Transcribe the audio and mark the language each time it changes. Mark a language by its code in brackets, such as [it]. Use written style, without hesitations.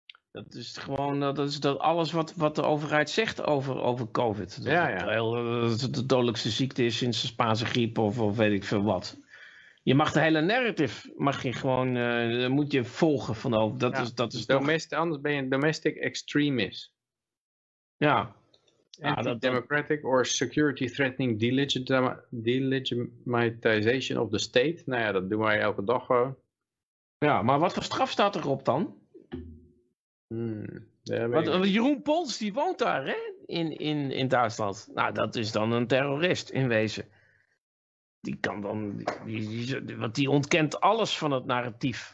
[nl] Dat is gewoon dat alles wat de overheid zegt over COVID. Dat het de dodelijkste ziekte is sinds de Spaanse griep of weet ik veel wat. Je mag de hele narrative mag je gewoon moet je volgen van over. Dat is anders ben je een [en] domestic extremist. [nl] Ja. [en] Anti-democratic or security threatening delegitimization of the state. [nl] Nou ja, dat doen wij elke dag gewoon. Ja, maar wat voor straf staat erop dan? Jeroen Pons die woont daar, hè? In Duitsland. Nou, dat is dan een terrorist in wezen. Die kan dan. Die ontkent alles van het narratief.